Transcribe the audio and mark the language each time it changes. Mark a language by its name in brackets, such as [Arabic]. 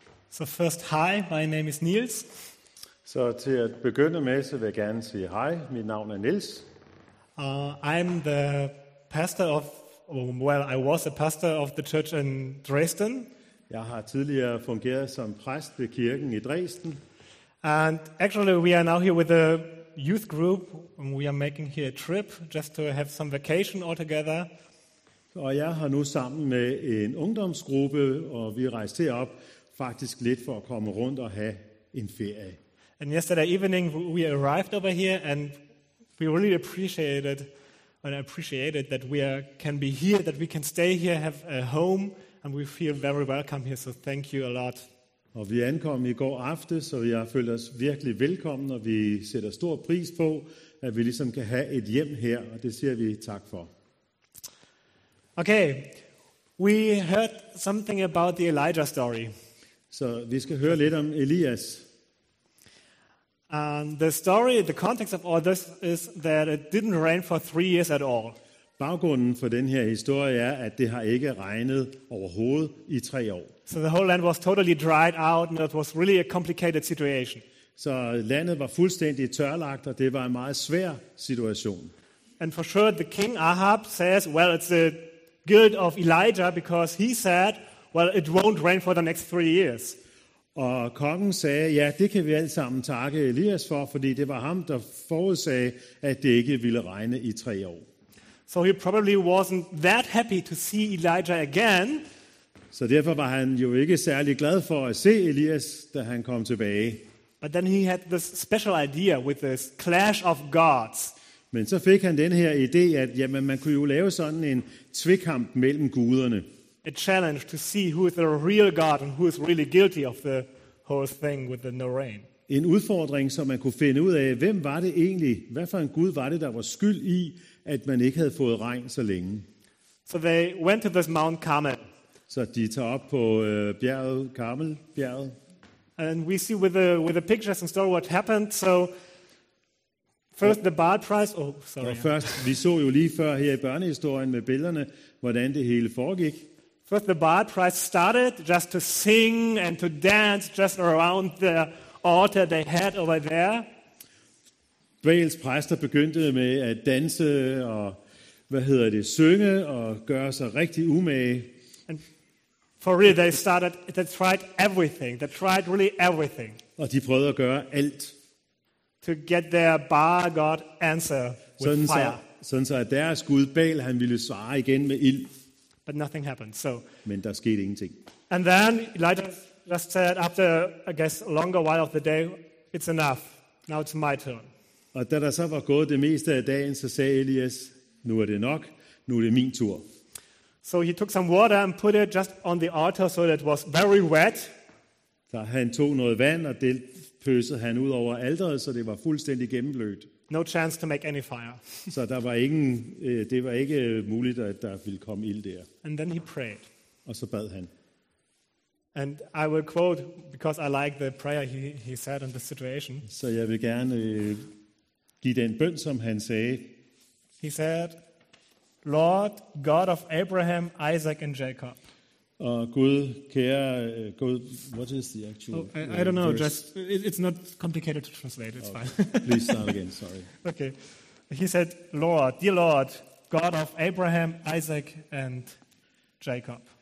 [English] So first, hi, my name is Niels. [Danish] Så til at begynde med, så vil jeg gerne sige hej. Mit navn er Niels. [English] I'm the pastor of, well, I was a pastor of the church in Dresden. [Danish] Jeg har tidligere fungeret som præst ved kirken i Dresden. [English] And actually, we are now here with a youth group. We are making here a trip just to have some vacation all together. [Danish] Og jeg har nu sammen med en ungdomsgruppe, og vi rejste herop faktisk lidt for at komme rundt og have en ferie. [English] And yesterday evening we arrived over here and we really appreciated and appreciated that we are, can be here, that we can stay here, have a home, and we feel very welcome here, so thank you a lot. [Danish] Og vi ankom i går aftes, så vi har følt os virkelig velkommen, og vi sætter stor pris på, at vi ligesom kan have et hjem her, og det siger vi tak for. [English] Okay, we heard something about the Elijah story. [Danish] Så vi skal høre lidt om Elias. [English] And the story, the context of all this is that it didn't rain for 3 years at all. [Danish] Baggrunden for den her historie er, at det har ikke regnet overhovedet i 3 år. [English] So the whole land was totally dried out, and it was really a complicated situation. [Danish] Så landet var fuldstændig tørlagt, og det var en meget svær situation. [English] And for sure, the king Ahab says, well, it's the guilt of Elijah, because he said, well, it won't rain for the next 3 years. [Danish] Og kongen sagde, ja, det kan vi alle sammen takke Elias for, fordi det var ham, der forudsagde, at det ikke ville regne i 3 år. [English] So he probably wasn't that happy to see Elijah again. [Danish] Så derfor var han jo ikke særlig glad for at se Elias, da han kom tilbage. [English] But then he had this special idea with this clash of gods. [Danish] Men så fik han den her idé, at jamen, man kunne jo lave sådan en tvekamp mellem guderne. [English] A challenge to see who is the real God and who is really guilty of the whole thing with the no rain. [Danish] En udfordring, så man kunne finde ud af, hvem var det egentlig, hvad for en gud var det, der var skyld i, at man ikke havde fået regn så længe. [English] So they went to this Mount Carmel. [Danish] Så de tager op på bjerget Carmel, bjerget. [English] And we see with the pictures and story what happened. So first the Baal prize. Oh, sorry. [Danish] Og først, vi så jo lige før her i børnehistorien med billederne, hvordan det hele foregik. [English] First the Baal prize started just to sing and to dance just around the altar they had over there. [Danish] Baals præster begyndte med at danse og hvad hedder det, synge og gøre sig rigtig umage. [English] And for real they tried really everything. [Danish] Og de prøvede at gøre alt. [English] To get their Baal god answer with [Danish] sådan [English] fire. [Danish] Sådan så at deres gud Baal han ville svare igen med ild. [English] But nothing happened. So, [Danish] men der skete ingenting. [English] And then Elijah just said, after I guess a longer while of the day, it's enough. Now it's my turn. [Danish] Og da der så var gået det meste af dagen, så sagde Elias, nu er det nok, nu er det min tur. [English] So he took some water and put it just on the altar so that it was very wet. [Danish] Så han tog noget vand og det pøsede han ud over alteret, så det var fuldstændig gennemblødt. [English] No chance to make any fire. [Danish] Så der var ingen, det var ikke muligt, at der ville komme ild der. [English] And then he prayed. [Danish] Og så bad han. [English] And I will quote because I like the prayer he said in the situation. [Danish] Så jeg vil gerne give den bøn, som han sagde. [English] He said, "Lord God of Abraham, Isaac and Jacob." [Danish] Og Gud, kære Gud, [English] what is the actual I don't know, just, it's not complicated to translate, it's fine. Please start again, sorry. Okay. He said, Lord, dear Lord, God of Abraham, Isaac and Jacob.